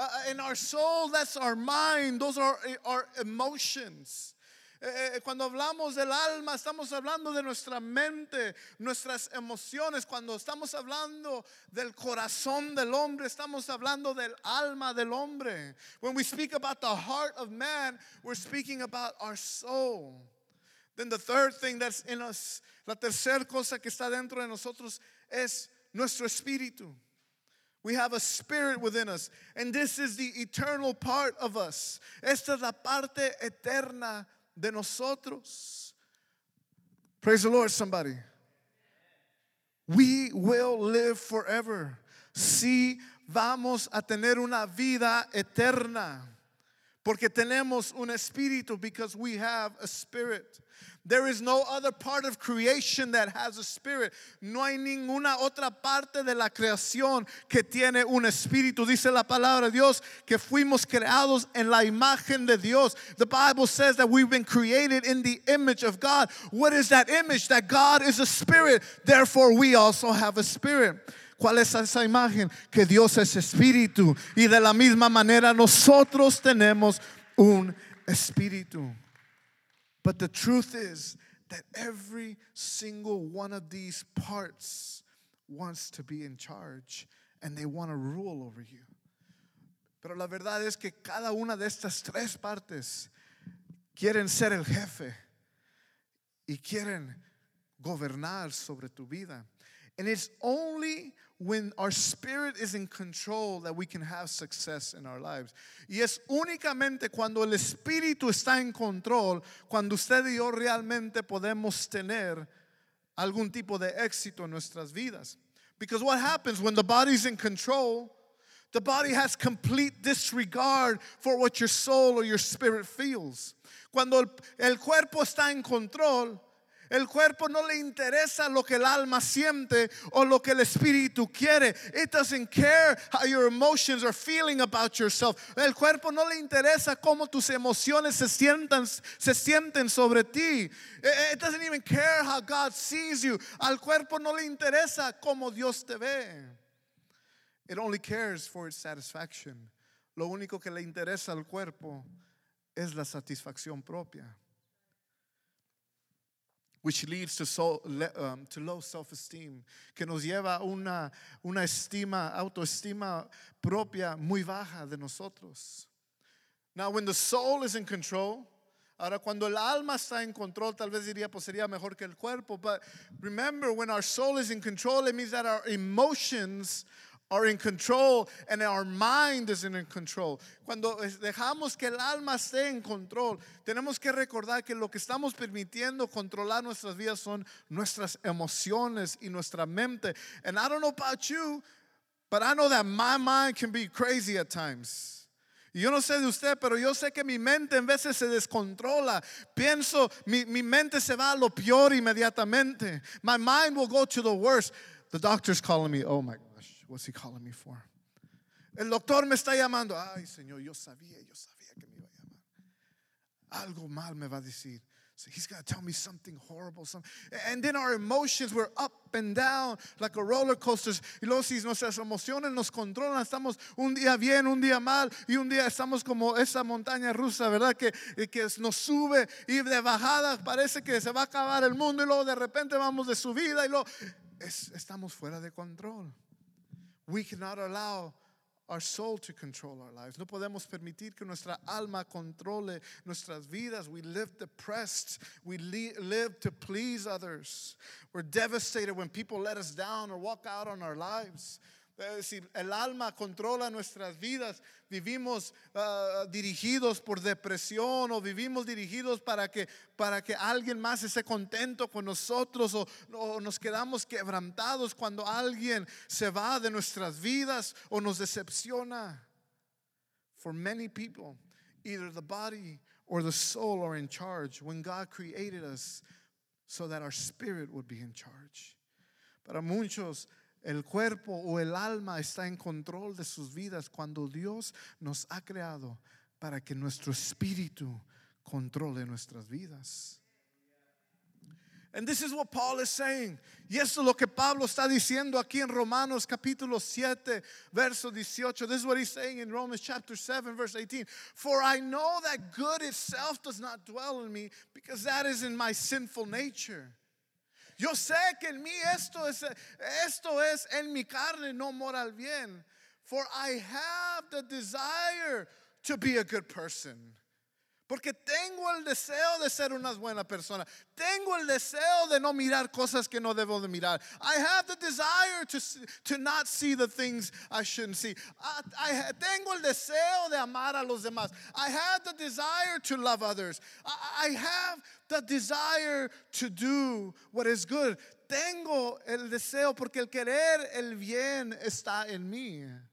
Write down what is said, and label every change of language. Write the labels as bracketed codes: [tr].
[en] In our soul, that's our mind. Those are our emotions. [es] Cuando hablamos del alma, estamos hablando de nuestra mente, nuestras emociones. Cuando estamos hablando del corazón del hombre, estamos hablando del alma del hombre. [en] When we speak about the heart of man, we're speaking about our soul. Then the third thing that's in us, [es] la tercera cosa que está dentro de nosotros es nuestro espíritu. [en] We have a spirit within us, and this is the eternal part of us. [es] Esta es la parte eterna de nosotros. [en] Praise the Lord, somebody. We will live forever. [es] Sí, vamos a tener una vida eterna. Porque tenemos un espíritu, [en] because we have a spirit. There is no other part of creation that has a spirit. [es] No hay ninguna otra parte de la creación que tiene un espíritu. Dice la palabra de Dios que fuimos creados en la imagen de Dios. [en] The Bible says that we've been created in the image of God. What is that image? That God is a spirit. Therefore, we also have a spirit. [es] ¿Cuál es esa imagen? Que Dios es espíritu. Y de la misma manera nosotros tenemos un espíritu. [en] But the truth is that every single one of these parts wants to be in charge and they want to rule over you. [es] Pero la verdad es que cada una de estas tres partes quieren ser el jefe y quieren gobernar sobre tu vida. [en] And it's only when our spirit is in control that we can have success in our lives. [es] Y es únicamente cuando el espíritu está en control, cuando usted y yo realmente podemos tener algún tipo de éxito en nuestras vidas. [en] Because what happens when the body is in control, the body has complete disregard for what your soul or your spirit feels. [es] Cuando el cuerpo está en control, el cuerpo no le interesa lo que el alma siente o lo que el espíritu quiere. [en] It doesn't care how your emotions are feeling about yourself. [es] El cuerpo no le interesa cómo tus emociones se sienten sobre ti. [en] It doesn't even care how God sees you. [es] Al cuerpo no le interesa cómo Dios te ve. [en] It only cares for its satisfaction. [es] Lo único que le interesa al cuerpo es la satisfacción propia. [en] Which leads to to low self-esteem, [es] que nos lleva una estima, autoestima propia muy baja de nosotros. [en] Now, when the soul is in control, [es] ahora cuando el alma está en control, tal vez diría, pues sería mejor que el cuerpo. [en] But remember, when our soul is in control, it means that our emotions are in control and our mind is in control. [es] Cuando dejamos que el alma esté en control, tenemos que recordar que lo que estamos permitiendo controlar nuestras vidas son nuestras emociones y nuestra mente. [en] And I don't know about you, but I know that my mind can be crazy at times. [es] Yo no sé de usted, pero yo sé que mi mente en veces se descontrola. Pienso, mi mente se va a lo peor inmediatamente. [en] My mind will go to the worst. The doctor's calling me, oh my God. What's he calling me for? [es] El doctor me está llamando. Ay, Señor, yo sabía que me iba a llamar. Algo mal me va a decir. [en] So he's going to tell me something horrible. And then our emotions were up and down like a roller coaster. [es] Y luego si nuestras emociones nos controlan, estamos un día bien, un día mal, y un día estamos como esa montaña rusa, ¿verdad? Que nos sube y de bajada parece que se va a acabar el mundo y luego de repente vamos de subida y luego estamos fuera de control. [en] We cannot allow our soul to control our lives. [es] No podemos permitir que nuestra alma controle nuestras vidas. [en] We live depressed. We live to please others. We're devastated when people let us down or walk out on our lives. [es] Si el alma controla nuestras vidas, vivimos dirigidos por depresión o vivimos dirigidos para que alguien más esté contento con nosotros o nos quedamos quebrantados cuando alguien se va de nuestras vidas o nos decepciona. [en] For many people, either the body or the soul are in charge when God created us so that our spirit would be in charge. [es] Para muchos, el cuerpo o el alma está en control de sus vidas cuando Dios nos ha creado para que nuestro espíritu controle nuestras vidas. [en] And this is what Paul is saying. [es] Y eso es lo que Pablo está diciendo aquí en Romanos capítulo 7, verso 18. [en] This is what he's saying in Romans chapter 7, verse 18. For I know that good itself does not dwell in me, because that is in my sinful nature. [es] Yo sé que en mí esto es en mi carne, no mora el bien. [en] For I have the desire to be a good person. [es] Porque tengo el deseo de ser una buena persona. Tengo el deseo de no mirar cosas que no debo de mirar. [en] I have the desire to not see the things I shouldn't see. [es] Tengo el deseo de amar a los demás. [en] I have the desire to love others. I have the desire to do what is good. [es] Tengo el deseo porque el querer el bien está en mí.